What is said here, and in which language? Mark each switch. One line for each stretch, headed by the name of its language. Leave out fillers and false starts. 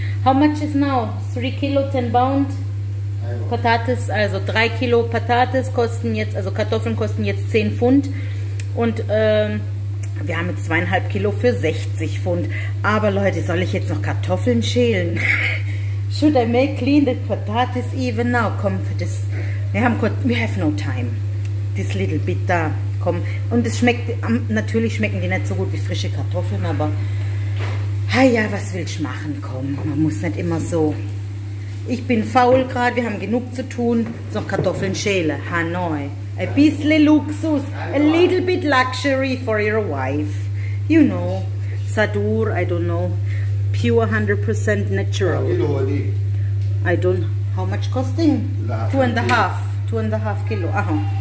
English: How much is now? 3 Kilo, 10 Pound.
German: Patates, also 3 Kilo Patates kosten jetzt, also Kartoffeln kosten jetzt 10 Pfund. Und wir haben jetzt 2,5 Kilo für 60 Pfund. Aber Leute, soll ich jetzt noch Kartoffeln schälen?
English: Should I make clean the Patates even now? Come for this. We have no time. This little bit da.
German: Und es schmeckt, natürlich schmecken die nicht so gut wie frische Kartoffeln, aber ja, was willst du machen, komm, man muss nicht immer so. Ich bin faul gerade, wir haben genug zu tun, so Kartoffeln schälen, Hanoi. A bisschen Luxus,
English: a little bit luxury for your wife. You know, Sadur, I don't know, pure 100% natural. I don't, how much costing? 2,5 Kilo, aha.